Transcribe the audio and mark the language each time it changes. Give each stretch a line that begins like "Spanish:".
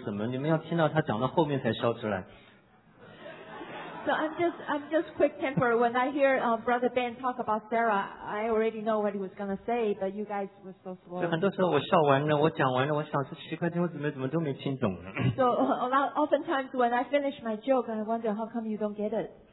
Chinese: 很多东西我就觉得你们真慢。刚才方言弟兄才讲到沙拉，我就知道他要说什么。你们要听到他讲到后面才烧出来。
English: So I'm just quick-tempered. When I hear Brother Ben talk about Sarah, I already know what he was going to say, but you guys were so slow.
Chinese: 很多时候我笑完了，我讲完了，我想这奇怪，怎么都没听懂。
English: So oftentimes when I finish my joke, I wonder how come you don't get it.